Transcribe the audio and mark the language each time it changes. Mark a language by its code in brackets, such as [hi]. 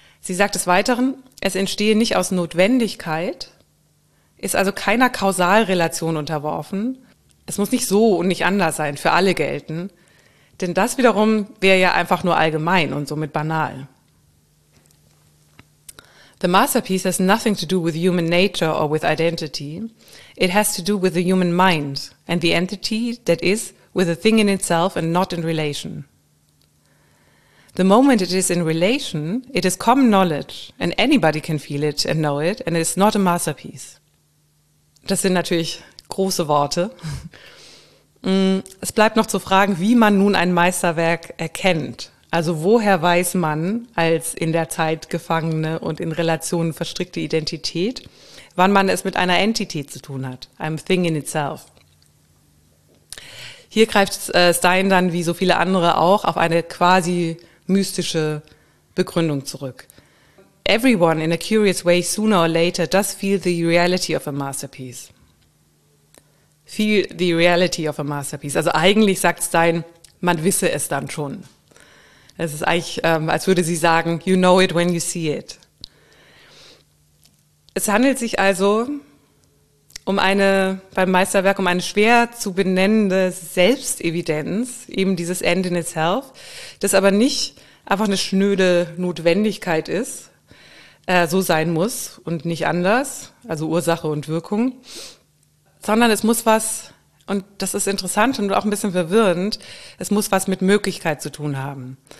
[de] Sie sagt des Weiteren, es entstehe nicht aus Notwendigkeit, ist also keiner Kausalrelation unterworfen. Es muss nicht so und nicht anders sein, für alle gelten. Denn das wiederum wäre ja einfach nur allgemein und somit banal. [en] The masterpiece has nothing to do with human nature or with identity. It has to do with the human mind and the entity that is with the thing in itself and not in relation. The moment it is in relation, it is common knowledge and anybody can feel it and know it and it is not a masterpiece. [de] Das sind natürlich große Worte. Es bleibt noch zu fragen, wie man nun ein Meisterwerk erkennt. Also woher weiß man als in der Zeit gefangene und in Relationen verstrickte Identität, wann man es mit einer Entität zu tun hat, einem [en] Thing in itself. [de] Hier greift Stein dann, wie so viele andere auch, auf eine quasi mystische Begründung zurück. [en] Everyone in a curious way sooner or later does feel the reality of a masterpiece. Feel the reality of a masterpiece. [de] Also eigentlich sagt Stein, man wisse es dann schon. Es ist eigentlich, als würde sie sagen, [en] you know it when you see it. [de] Es handelt sich also um eine, beim Meisterwerk, um eine schwer zu benennende Selbstevidenz, eben dieses [en] End in itself, [de] das aber nicht einfach eine schnöde Notwendigkeit ist, so sein muss und nicht anders, also Ursache und Wirkung, sondern es muss was, und das ist interessant und auch ein bisschen verwirrend, es muss was mit Möglichkeit zu tun haben.